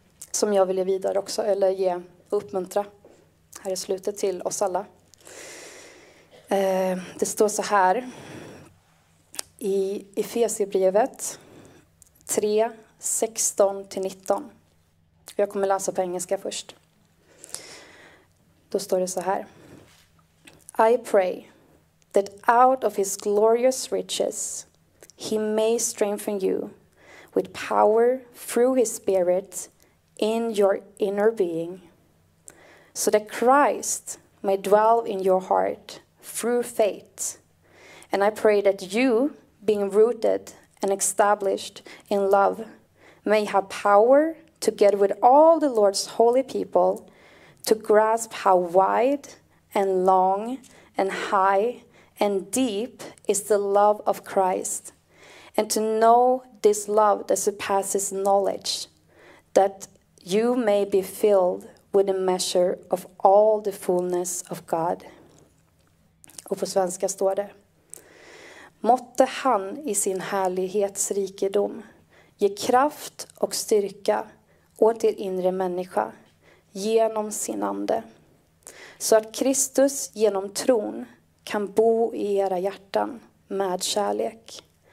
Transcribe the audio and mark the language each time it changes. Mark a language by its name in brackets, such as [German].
[Swedish] Som jag vill ge vidare också, eller ge och uppmuntra. Här är slutet till oss alla. Det står så här i Efesierbrevet 3:16-19. Jag kommer läsa på engelska först. Då står det så här: [English] I pray that out of his glorious riches he may strengthen you with power through his spirit in your inner being, so that Christ may dwell in your heart through faith. And I pray that you, being rooted and established in love, may have power together with all the Lord's holy people to grasp how wide and long and high and deep is the love of Christ, and to know this love that surpasses knowledge, that you may be filled with the measure of all the fullness of God. [Swedish] Och på svenska står det: måtte han i sin härlighets rikedom ge kraft och styrka åt er inre människa genom sin ande, så att Kristus genom tron kan bo i era hjärtan med kärlek.